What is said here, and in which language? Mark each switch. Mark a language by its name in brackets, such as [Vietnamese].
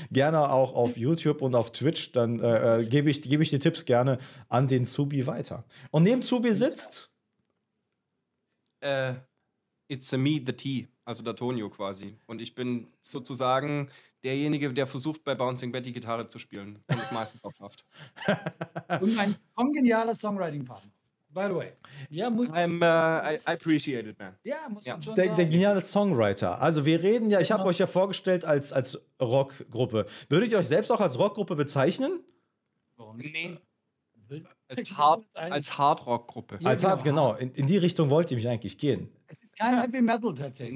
[German] Gerne auch auf YouTube und auf Twitch. Dann gebe ich die Tipps gerne an den Zubi weiter. Und neben Zubi sitzt? [English] It's a me, the T. [German] Also der Tonio quasi. Und ich bin sozusagen derjenige, der versucht, bei Bouncing Betty Gitarre zu spielen. Und es meistens auch schafft. Und mein kongenialer Songwriting-Partner. [English] By the way, yeah, I appreciate it, man. [German] Ja, muss man schon Der geniale Songwriter. Also wir reden ja, ich habe euch ja vorgestellt als Rockgruppe. Würdet ihr euch selbst auch als Rockgruppe bezeichnen? Nee. Als Hardrock-Gruppe. Ja, als genau. In die Richtung wollt ihr mich eigentlich gehen. Es ist kein Heavy Metal tatsächlich.